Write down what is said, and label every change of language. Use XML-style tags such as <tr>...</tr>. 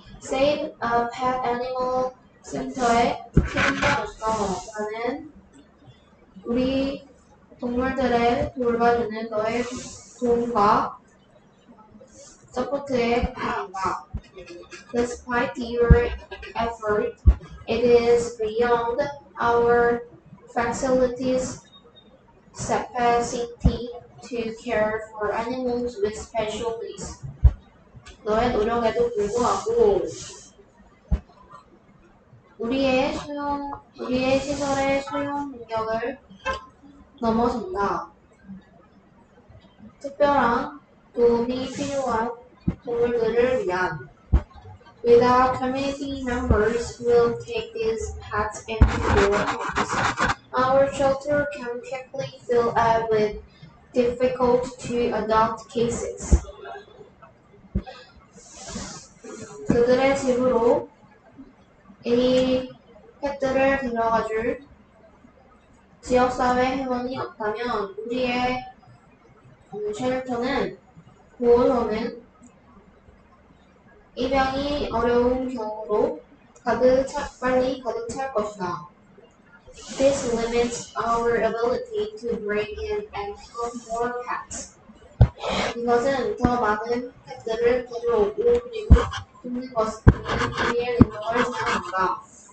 <ko>Save a pet animal center에 나는 우리 동물들을 돌봐주는 너의 도움과 서포트에 감사합니다.</ko> <en>Despite your effort, it is beyond our facilities capacity to care for animals with special needs.</en> <ko>너의 노력에도 불구하고 우리의 시설의 수용 능력을 넘어선다. 특별한 도움이 필요한 동물들을 위한.</ko> <en>Without community members, we'll take these pets into your hands. Our shelter can quickly fill up with difficult to adopt cases.</en> <ko>그들의 집으로 이 펫들을 데려가줄 지역사회 회원이 없다면 우리의 쉘터는 보호소는 입양이 어려운 경우로 빨리 가득 찰 것이다.</ko> <en>This limits our ability to bring in and help more pets.</en> <ko>이것은 더 많은 펫들을 데려오고 그리고 돕는 것은 우리의 능력을 제한한다.</ko>